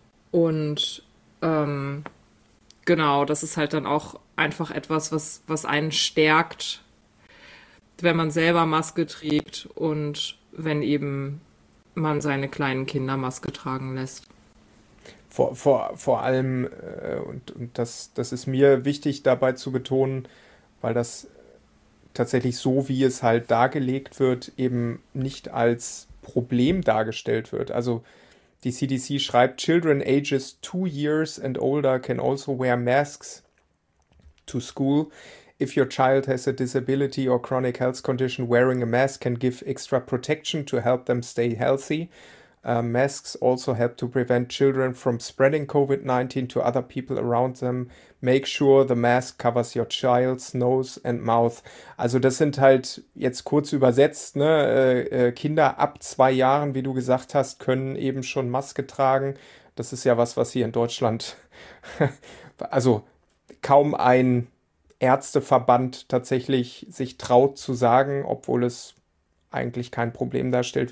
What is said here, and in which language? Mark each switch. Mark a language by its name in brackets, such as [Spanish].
[German] Und genau, das ist halt dann auch einfach etwas, was einen stärkt, wenn man selber Maske trägt und wenn eben man seine kleinen Kinder Maske tragen lässt. Vor allem, und das ist mir wichtig dabei zu betonen, weil das tatsächlich so, wie es halt dargelegt wird, eben nicht als Problem dargestellt wird. Also die CDC schreibt, [English] Children ages 2 years and older can also wear masks to school. If your child has a disability or chronic health condition, wearing a mask can give extra protection to help them stay healthy. Masks also help to prevent children from spreading COVID-19 to other people around them. Make sure the mask covers your child's nose and mouth. [German] Also das sind halt jetzt kurz übersetzt, ne? Kinder ab 2 Jahren, wie du gesagt hast, können eben schon Maske tragen. Das ist ja was, was hier in Deutschland, also kaum ein Ärzteverband tatsächlich sich traut zu sagen, obwohl es eigentlich kein Problem darstellt.